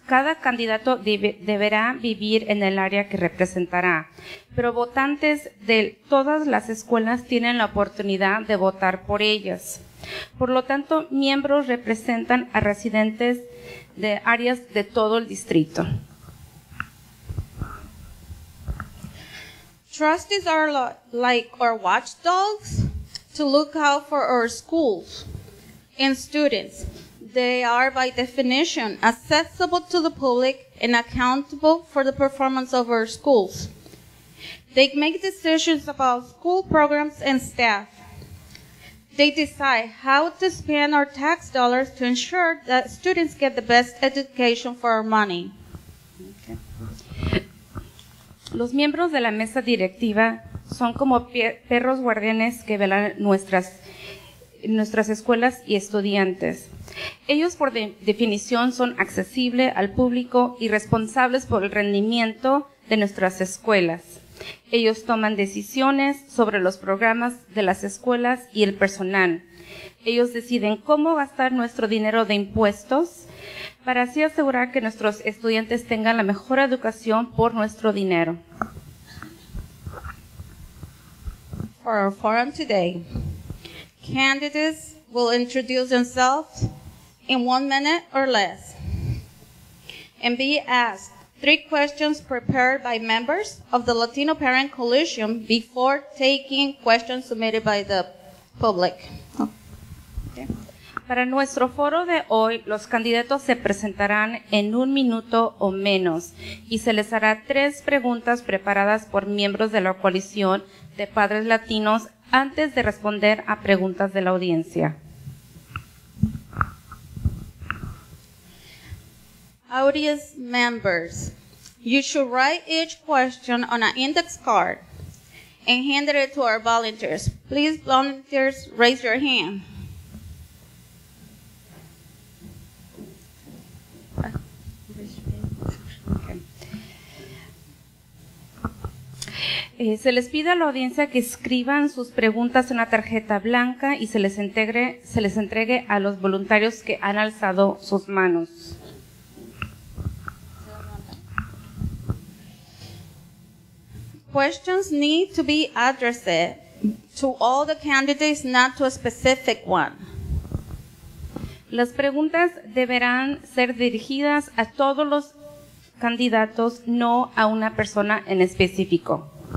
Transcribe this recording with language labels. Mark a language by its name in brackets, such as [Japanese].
[Spanish] Cada candidato deberá vivir en el área que representará. Pero votantes de todas las escuelas tienen la oportunidad de votar por ellas. Por lo tanto, miembros representan a residentes de áreas de todo el distrito. [English] Trustees are like our watchdogs to look out for our schools and students. They are, by definition, accessible to the public and accountable for the performance of our schools. They make decisions about school programs and staff. They decide how to spend our tax dollars to ensure that students get the best education for our money. [Spanish] Los miembros de la mesa directiva son como perros guardianes que velan nuestras escuelas y estudiantes. Ellos, por definición, son accesibles al público y responsables por el rendimiento de nuestras escuelas. Ellos toman decisiones sobre los programas de las escuelas y el personal. Ellos deciden cómo gastar nuestro dinero de impuestos para así asegurar que nuestros estudiantes tengan la mejor educación por nuestro dinero. [English] For our forum today, candidates will introduce themselves in 1 minute or less and be asked 3 questions prepared by members of the Latino Parent Coalition before taking questions submitted by the public. [Spanish] Para nuestro foro de hoy, los candidatos se presentarán en 1 minuto o menos y se les hará 3 preguntas preparadas por miembros de la coalición de padres latinos antes de responder a preguntas de la audiencia. [English] Audience members, you should write each question on an index card and hand it to our volunteers. Please, volunteers, raise your hand. [Spanish] Se les pide a la audiencia que escriban sus preguntas en una tarjeta blanca y se les entregue a los voluntarios que han alzado sus manos. Questions need to be addressed to all the candidates, not to a specific one. Las preguntas deberán ser dirigidas a todos los candidatos, no a una persona en específico.